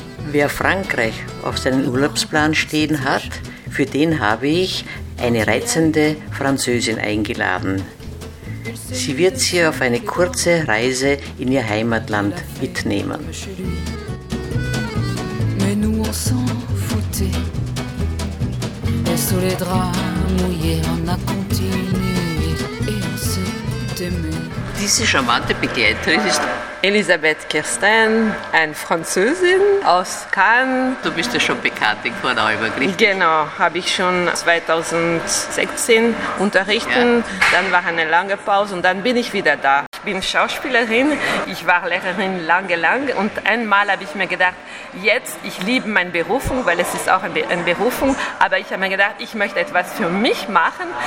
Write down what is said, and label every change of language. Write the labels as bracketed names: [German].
[German] Wer Frankreich auf seinem Urlaubsplan stehen hat, für den habe ich eine reizende Französin eingeladen. Sie wird sie auf eine kurze Reise in ihr Heimatland mitnehmen. [French] Mais nous on s'en foutait. Et sous les draps mouillés, on a continué et on s'est aimé. [German] Diese charmante Begleiterin ist Elisabeth Kirsten, eine Französin aus Cannes. Du bist ja schon bekannt in Korneuburg, richtig? Genau, habe ich schon 2016 unterrichten. Ja. Dann war eine lange Pause und dann bin ich wieder da. Ich bin Schauspielerin, ich war Lehrerin lange und einmal habe ich mir gedacht, jetzt, ich liebe meine Berufung, weil es ist auch eine Berufung, aber ich habe mir gedacht, ich möchte etwas für mich machen.